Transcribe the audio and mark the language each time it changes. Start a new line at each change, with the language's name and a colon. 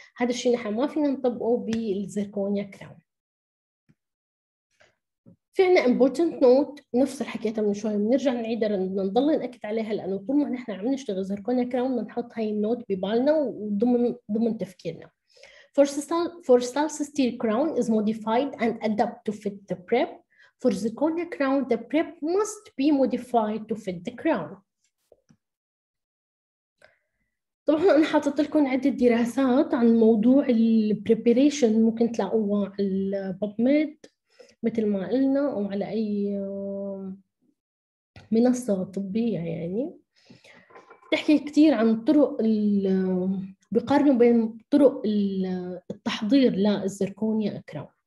Arabic: هذا الشيء نحن ما فينا نطبقه بالزيركونيا كراون. في عنا important note، نفس الحكاية من شوية بنرجع نعيدها لنضل نأكد عليها، لأنه طول ما نحن عم نشتغل زركونيا كراون بنحط هاي النوت ببالنا وضمن تفكيرنا.
English: For stall crown is modified and adapt to fit the prep. For zirconia crown the prep must be modified to fit the crown.
Arabic: طبعا انا حاطت لكم عده دراسات عن موضوع البريبريشن، ممكن تلاقوها على PubMed مثل ما قلنا او على اي منصه طبيه. يعني بتحكي كثير عن طرق، بقارنوا بين طرق التحضير للزركونيا اكرام.